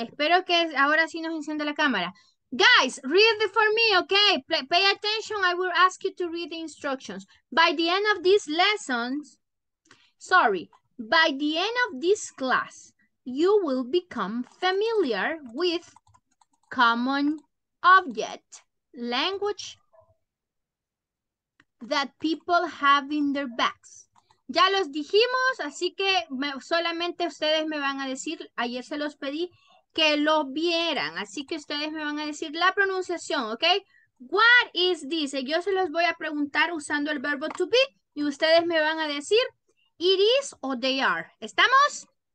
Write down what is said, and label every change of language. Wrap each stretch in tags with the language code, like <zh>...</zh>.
<es>Espero que ahora sí nos encienda la cámara.</es> <en>Guys, read it for me, okay? Pay attention. I will ask you to read the instructions. By the end of these lessons, sorry, by the end of this class, you will become familiar with common object language that people have in their bags.</en> <es>Ya los dijimos, así que solamente ustedes me van a decir, ayer se los pedí, que lo vieran. Así que ustedes me van a decir la pronunciación, ¿ok?</es> <en>What is this?</en> <es>Yo se los voy a preguntar usando el verbo to be y ustedes me van a decir it is o they are. ¿Estamos?</es>